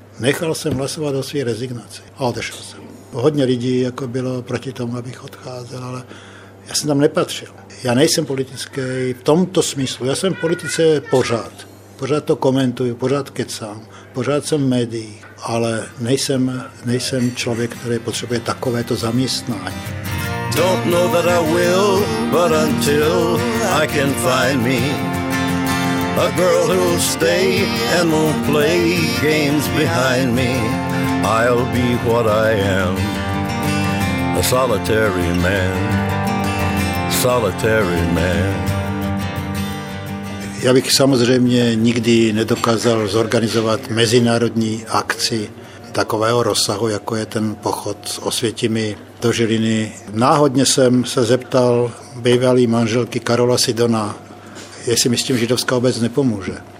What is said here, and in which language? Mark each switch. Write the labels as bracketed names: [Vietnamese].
[Czech] Nechal jsem hlasovat o své rezignaci a odešel jsem. Hodně lidí jako bylo proti tomu, abych odcházel, ale já jsem tam nepatřil. Já nejsem politický v tomto smyslu. Já jsem v politice pořád. Pořád to komentuju, pořád kecám, pořád jsem v médiích, ale nejsem člověk, který potřebuje takovéto zaměstnání. [English] Don't know that I will, but until I can find me, A girl who'll stay and won't play games behind me. I'll be what I am, a solitary man, solitary man. [Czech] Já bych samozřejmě nikdy nedokázal zorganizovat mezinárodní akci takového rozsahu, jako je ten pochod s Osvětimi do Žiliny. Náhodně jsem se zeptal bývalý manželky Karola Sidona, jestli mi s tím židovská obec nepomůže.